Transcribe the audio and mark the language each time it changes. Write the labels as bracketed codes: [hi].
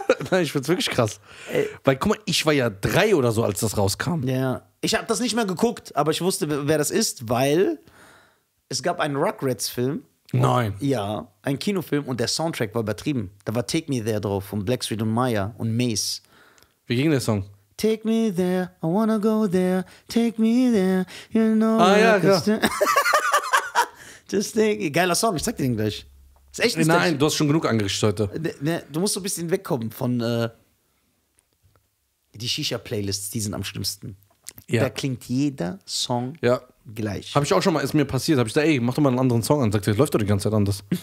[de] Nein, ich find's wirklich krass. Weil, guck mal, ich war ja 3 oder so, als das rauskam. Ja, ich habe das nicht mehr geguckt, aber ich wusste, wer das ist, weil es gab einen Rugrats-Film. Nein. Ja, einen Kinofilm und der Soundtrack war übertrieben. Da war Take Me There drauf von Blackstreet und Maya und Mace. Wie ging der Song? [en] Take me there, I wanna go there, take me there, you know. [de] Ah ja, klar. [en] Just take, [de] geiler Song, ich zeig dir den gleich. Ist echt nicht. Nein, du hast schon genug angerichtet heute. Du musst so ein bisschen wegkommen von die Shisha-Playlists, die sind am schlimmsten. Ja. Da klingt jeder Song ja gleich. Hab ich auch schon mal, ist mir passiert, hab ich gesagt, ey, mach doch mal einen anderen Song an, sagt er, läuft doch die ganze Zeit anders.